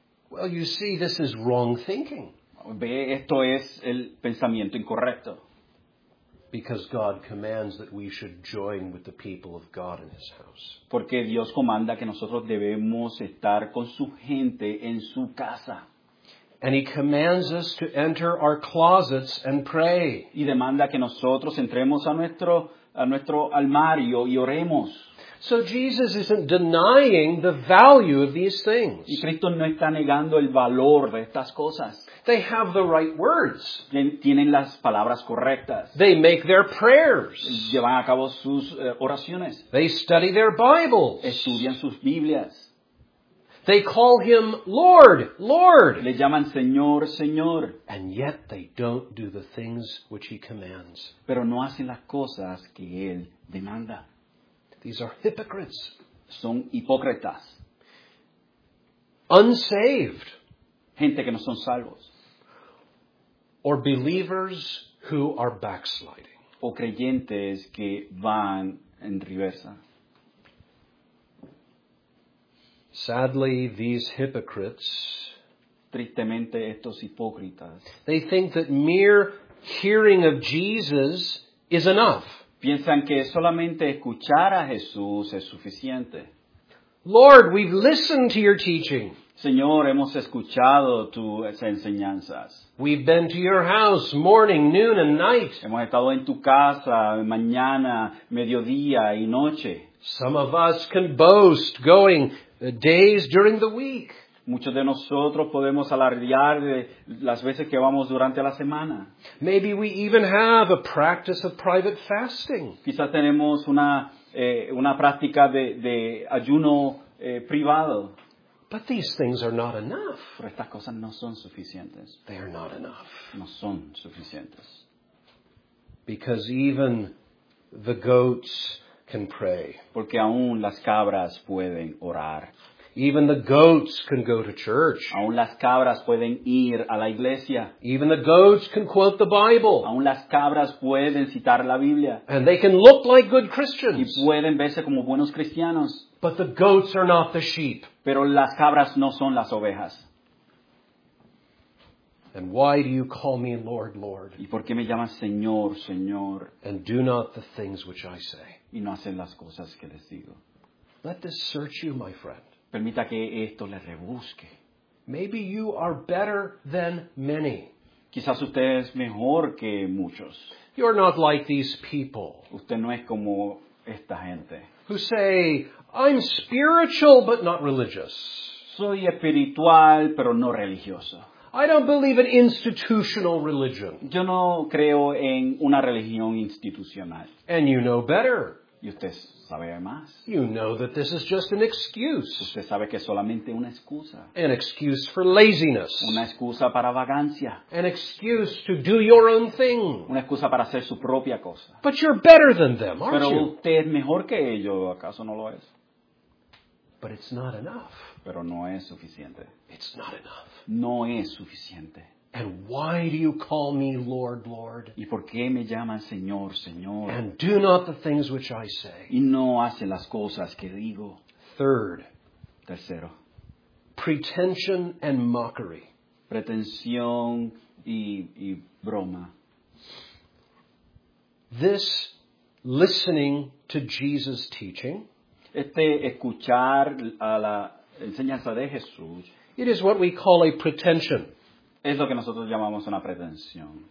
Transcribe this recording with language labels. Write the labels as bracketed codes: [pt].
[en] Well, you see, this is wrong thinking. [es] Ve, esto es el pensamiento incorrecto. [en] Because God commands that we should join with the people of God in His house. [es] Porque Dios comanda que nosotros debemos estar con su gente en su casa. [en] And He commands us to enter our closets and pray. [es] Y demanda que nosotros entremos a nuestro armario y oremos. [en] So Jesus isn't denying the value of these things. [es] Y Cristo no está negando el valor de estas cosas. [en] They have the right words. [es] Tienen las palabras correctas. [en] They make their prayers. [es] Llevan a cabo sus oraciones. [en] They study their Bibles. [es] Estudian sus Biblias. [en] They call Him Lord, Lord. [es] Le llaman Señor, Señor. [en] And yet they don't do the things which He commands. [es] Pero no hacen las cosas que Él demanda. [en] These are hypocrites. [es] Son hipócritas. [en] Unsaved. [es] Gente que no son salvos. [en] Or believers who are backsliding. [es] O creyentes que van en reversa. [en] Sadly, these hypocrites. [es] Tristemente, estos hipócritas. [en] They think that mere hearing of Jesus is enough. [es] Piensan que solamente escuchar a Jesús es suficiente. [en] Lord, we've listened to your teaching. [es] Señor, hemos escuchado tus enseñanzas. [en] We've been to your house morning, noon, and night. [es] Hemos estado en tu casa mañana, mediodía y noche. [en] Some of us can boast going days during the week. [es] Muchos de nosotros podemos alardear de las veces que vamos durante la semana. [en] Maybe we even have a practice of private fasting. [es] Quizás tenemos una práctica de ayuno privado. [en] But these things are not enough. [es] Pero estas cosas no son suficientes. [en] They are not enough. [es] No son suficientes. [en] Because even the goats can pray. [es] Porque aún las cabras pueden orar. [en] Even the goats can go to church. [es] Aún las cabras pueden ir a la iglesia. [en] Even the goats can quote the Bible. [es] Aún las cabras pueden citar la Biblia. [en] And they can look like good Christians. [es] Y pueden verse como buenos cristianos. [en] But the goats are not the sheep. [es] Pero las cabras no son las ovejas. [en] And why do you call me Lord, Lord? [es] ¿Y por qué me llamas Señor, Señor? [en] And do not the things which I say. [es] Y no hacen las cosas que les digo. [en] Let this search you, my friend. [es] Permita que esto le rebusque. [en] Maybe you are better than many. [es] Quizás usted es mejor que muchos. [en] You are not like these people. [es] Usted no es como esta gente. [en] Who say, I'm spiritual but not religious. [es] Soy espiritual pero no religioso. [en] I don't believe in institutional religion. [es] Yo no creo en una religión institucional. [en] And you know better. [es] Y usted sabe más. [en] You know that this is just an excuse. [es] Usted sabe que es solamente una excusa. [en] An excuse for laziness. [es] Una excusa para vagancia. [en] An excuse to do your own thing. [es] Una excusa para hacer su propia cosa. [en] But you're better than them, aren't you? [es] Pero usted es mejor que ellos, ¿acaso no lo es? [en] But it's not enough. [es] Pero no es suficiente. [en] It's not enough. [es] No es suficiente. [en] And why do you call me Lord, Lord? [es] ¿Y por qué me llaman Señor, Señor? [en] And do not the things which I say. [es] ¿Y no hace las cosas que digo? [en] Third. [es] Tercero. [en] Pretension and mockery. [es] Pretensión y broma. [en] This listening to Jesus' teaching. [es] Este escuchar a la enseñanza de Jesús. [en] It is what we call a pretension. [es] Es lo que nosotros llamamos una pretensión.